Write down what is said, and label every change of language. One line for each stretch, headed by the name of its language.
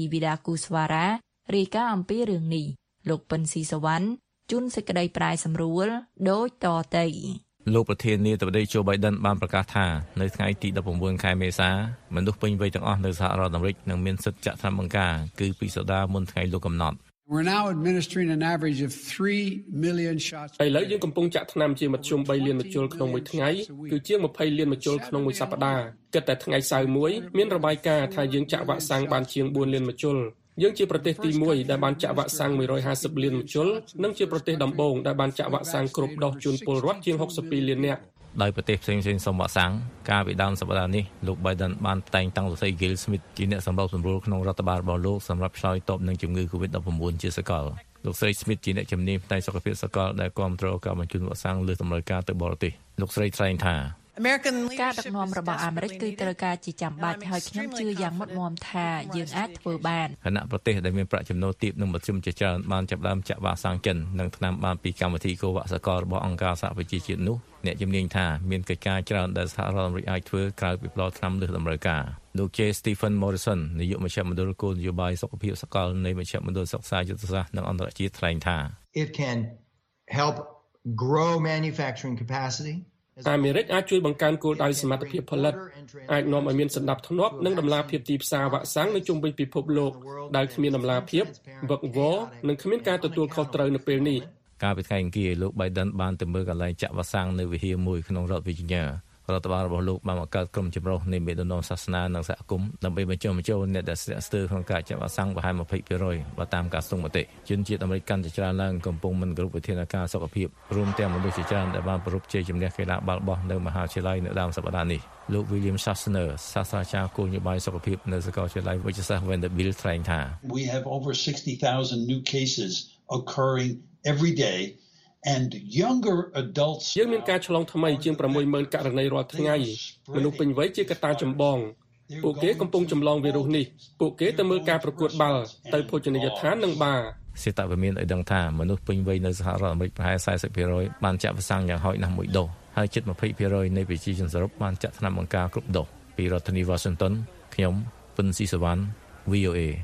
Khmer: Vidakuswara រាយការណ៍អំពីរឿងនេះលោកប៉ិនស៊ីសវណ្ណជួនសេចក្តីប្រាយសម្រួលដូចតទៅ លោកប្រធានាធិបតីโจ Biden បានប្រកាសថានៅថ្ងៃទី19ខែមេសាមនុស្សពេញវ័យទាំងអស់នៅសហរដ្ឋអាមេរិកនឹងមានសិទ្ធិចាក់ថ្នាំបង្ការគឺពីសប្តាហ៍មុនថ្ងៃលោកកំណត់
English: We're now administering an average of 3 million shots
Khmer: ឥឡូវយើងកំពុងចាក់ថ្នាំជាមធ្យម3លានមជ្ឈុលក្នុងមួយថ្ងៃគឺជាង20លានមជ្ឈុលក្នុងមួយសប្តាហ៍គិតតែថ្ងៃសៅរ៍មួយមានរបាយការណ៍ថាយើងចាក់វ៉ាក់សាំងបានជាង4លានមជ្ឈុលយើងជាប្រទេសទី1ដែលបានចាក់វ៉ាក់សាំង150លានមជ្ឈុលនិងជាប្រទេសដំបូងដែលបានចាក់វ៉ាក់សាំងគ្រប់ដោះជូនពលរដ្ឋជាង62លាននាក់ដោយប្រទេសផ្សេងៗសមវ៉ាក់សាំងការវិដានសប្តាហ៍នេះលោក Biden បានតែងតាំងលោកស្រី Gail Smith ជាអ្នកសម្របសម្រួលក្នុងរដ្ឋបាលរបស់លោកសម្រាប់ឆ្លើយតបនឹងជំងឺ COVID-19 ជាសកលលោកស្រី Smith ជាអ្នកជំនាញផ្នែកសុខភាពសកលដែលគ្រប់គ្រងការបញ្ជូនវ៉ាក់សាំងលើតម្រូវការទៅបរទេសលោកស្រីថ្លែងថា ការដឹកនាំរបស់អាមេរិកគឺត្រូវការជាចាំបាច់ហើយខ្ញុំជឿយ៉ាងមុតមមថាយើងអាចធ្វើបាន គណៈប្រទេសដែលមានប្រាក់ចំណូលទាបនិងមធ្យមជាច្រើនបានចាប់ផ្ដើមចាក់វ៉ាក់សាំងចិននិងថ្នាំបានពីកម្មវិធីកូវាក់សកលរបស់អង្គការសហប្រជាជាតិនោះអ្នកជំនាញថាមានកិច្ចការច្រើនដែលសហរដ្ឋអាមេរិកអាចធ្វើក្រៅពីផ្ដល់ថ្នាំលើតម្រូវការលោក J. Stephen Morrison នាយកមជ្ឈមណ្ឌលគោលនយោបាយសុខភាពសកលនៃមជ្ឈមណ្ឌលសុខាយុទ្ធសាស្ត្រនិងអន្តរជាតិថ្លែងថា
English: It can help grow manufacturing capacity.
Khmer: អាមេរិកអាចជួយបង្កើនគោលដៅសមត្ថភាពផលិតអាចនាំឲ្យមានសន្តិភាពនិងដំណើរភាពទីផ្សារវ៉ាក់សាំងនៅជុំវិញពិភពលោកដែលគ្មានដំណើរភាពវឹកវរនិងគ្មានការទទួលខុសត្រូវនៅពេលនេះ កាលពីថ្ងៃអង្គារលោក Biden បានទៅមើលកន្លែងចាក់វ៉ាក់សាំងនៅវិហារមួយក្នុងរដ្ឋ Virginia រដ្ឋបាលរបស់លោកបានបង្កើតក្រុមចម្រុះនៃមេដឹកនាំសាសនានិងសហគមន៍ដើម្បីបញ្ចុះបញ្ចូលអ្នកដែលស្ទាក់ស្ទើរក្នុងការចាក់វ៉ាក់សាំងប្រហែល 20% បើតាមការសង្កេតមតិជនជាតិអាមេរិកកាន់តែច្រើនឡើងកំពុងមិនគ្រប់វិធានការសុខភាពរួមទាំងមនុស្សជាច្រើនដែលបានប្រព្រឹត្តជាជំនះកីឡាបាល់បោះនៅមហាវិទ្យាល័យនៅដើមសប្តាហ៍នេះលោក William Sassner សាស្ត្រាចារ្យគោលនយោបាយសុខភាពនៅសាកលវិទ្យាល័យ Wichita Vanderbilt ថ្លែងថា
English: We have over 60,000 new cases occurring every dayand younger adults
Khmer: យើងមានការឆ្លងថ្មីជាង 60,000 ករណីរាល់ថ្ងៃមនុស្សពេញវ័យជាកត្តាចម្បងពួកគេកំពុងចម្លងវីរុសនេះពួកគេទៅមើលការប្រកួតបាល់ទៅភោជនីយដ្ឋាននិងបារ សេតវិមានឲ្យដឹងថាមនុស្សពេញវ័យនៅសហរដ្ឋអាមេរិកប្រហែល 40% បានចាក់វ៉ាក់សាំងយ៉ាងហោចណាស់មួយដូសហើយជិត 20% នៃប្រជាជនសរុបបានចាក់ថ្នាំបង្ការគ្រប់ដូសពីរដ្ឋធានី Washington ខ្ញុំពិនស៊ីសវណ្ណ VOA